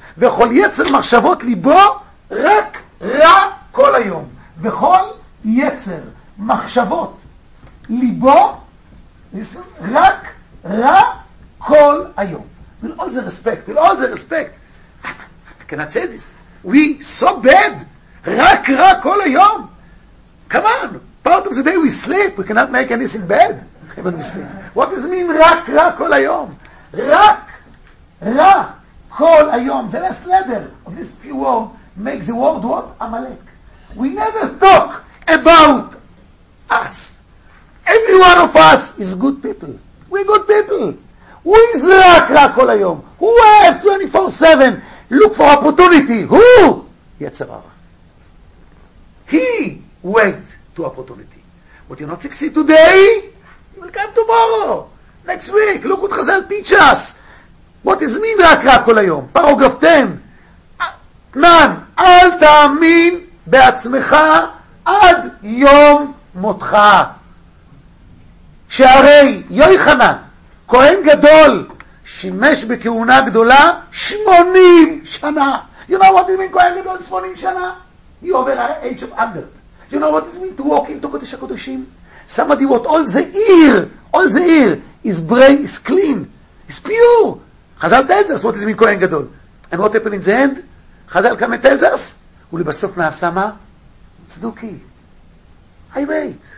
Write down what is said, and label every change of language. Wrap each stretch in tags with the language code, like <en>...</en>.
<he>וכל יצר מחשבות ליבו רק רע כל היום. וכל יצר מחשבות ליבו רק רע כל היום.</he> <en>With all the respect, with all the respect. I cannot say this. We so bad.</en> <he>רק רע כל היום.</he> <en>Come on. Part of the day we sleep. We cannot make anything bad. When we sleep. What does it mean</en> <he>רק רע כל היום?</he> <en>רק רע. Kol Ayom, the last letter of this few words makes the world what? Amalek. We never talk about us. Every one of us is good people. We're good people. Who is Rakra Kol Ayom? Who have 24/7 look for opportunity? Who? Yetzer Hara. He went to opportunity. But you not succeed today, you will come tomorrow. Next week, look what Chazal teach us. What is mean רק רע כל היום? Paragraph 10. Man,</en> <he>אל תאמין בעצמך עד יום מותך. שהרי יויחנן, כהן גדול, שימש בכהונה גדולה 80 שנה.</he> <en>You know what it means, כהן גדול 80 שנה? You over the age of 100. You know what it means to walk into קודש הקודשים? Somebody what all the ear, his brain is clean, is pure. Chazal tells us what is mean Kohen Gadol. And what happened in the end? Chazal come and tells us,</en> <he>ולבסוף נעשה מה? צדוקי.</he> <en>I wait.</en>